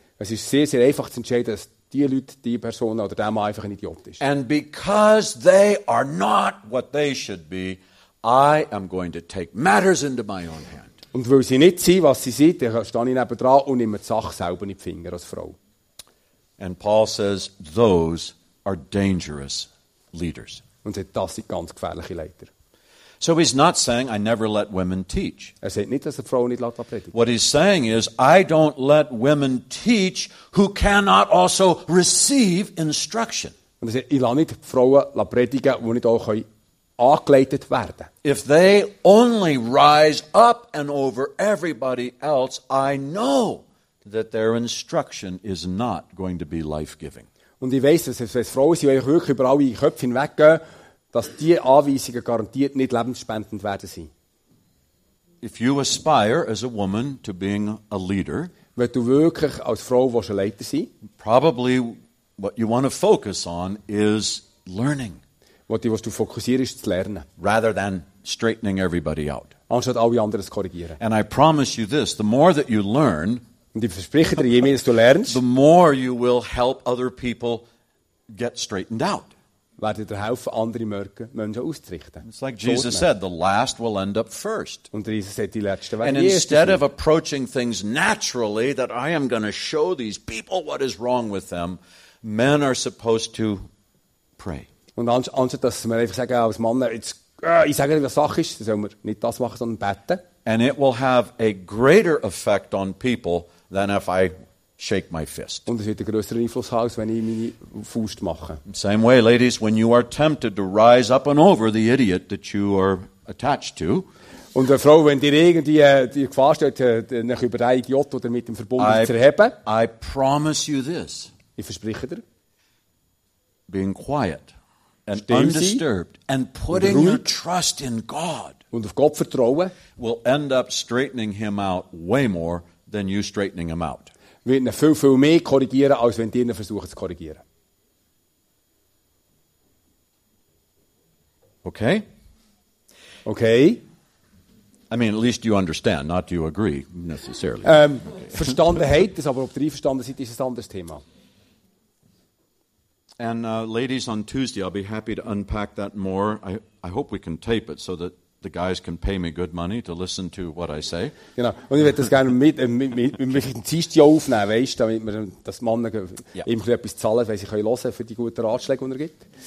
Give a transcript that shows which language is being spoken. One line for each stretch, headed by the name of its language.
German: Es ist sehr, sehr einfach zu entscheiden, dass die Leute, die Person oder der Mann einfach ein Idiot ist.
English: And because they are not what they should be, I am going to take matters into my own hands.
German: Und weil sie nicht sind, was sie sind, dann stehe ich nebenan und nehme die Sache selber in die Finger als Frau.
English: And Paul says, those are dangerous leaders.
German: Und sagt, das sind ganz gefährliche Leiter.
English: So he's not saying, I never let women teach.
German: Er sagt nicht, dass er Frauen nicht predigen.
English: What he's saying is, I don't let women teach who cannot also receive instruction.
German: Und er sagt, ich lasse nicht Frauen predigen, die nicht auch können. Angeleitet werden.
English: If they only rise up and over everybody else, I know that their instruction is not going to be life-giving.
German: Und ich weiß, dass wenn Frauen sich wirklich über alle Köpfe hinweggehen, dass die Anweisungen garantiert nicht lebensspendend werden sein.
English: If you aspire as a woman to being a leader,
German: wenn du wirklich als Frau willst, ein Leiter sein,
English: probably what you want to focus on is learning.
German: Was du fokussierst, ist zu lernen.
English: Rather than straightening everybody out.
German: Anstatt alle anderen zu korrigieren.
English: And I promise you this, the more that you learn,
German: und ich verspreche dir, je mehr, dass du lernst,
English: the more you will help other people get straightened out.
German: Werde dir helfen, andere Menschen auszurichten.
English: It's like Jesus said, the last will end up first.
German: Und Jesus sagt, die Letzte werden erst.
English: And instead of approaching things naturally, that I am going to show these people what is wrong with them, men are supposed to pray.
German: Und anstatt, dass wir einfach sagen, als Mann, ich sage dir, was Sache ist, dann sollen wir nicht das machen, sondern beten.
English: And it will have a greater effect on people than if I shake my fist.
German: Und es wird einen größeren Einfluss haben, als wenn ich meine Faust mache.
English: Same way, ladies, when you are tempted to rise up and over the idiot that you are attached to.
German: Und eine Frau, wenn dir irgendwie die Gefahr steht, nach über einen Idiot oder mit dem Verbunden zu erheben.
English: I promise you this.
German: Ich verspreche dir.
English: Being quiet. And undisturbed and putting your trust in God
German: und auf Gott vertrauen,
English: will end up straightening him out way more than you straightening him out.
German: Wird ihn viel, viel mehr korrigieren, als wenn ihr ihn versucht zu korrigieren. Okay? Okay?
English: I mean, at least you understand, not you agree necessarily. Okay.
German: Verstanden heißt es, aber ob ihr einverstanden seid, ist ein anderes Thema.
English: And ladies, on Tuesday, I'll be happy to unpack that more. I hope we can tape it so that the guys can pay me good money to listen to what I say.
German: Genau. Und ich würde das gerne mit Dienstag aufnehmen, weißt, damit wir das Mann ihm etwas zahlen, weil sie können hören für die guten Ratschläge, die er gibt.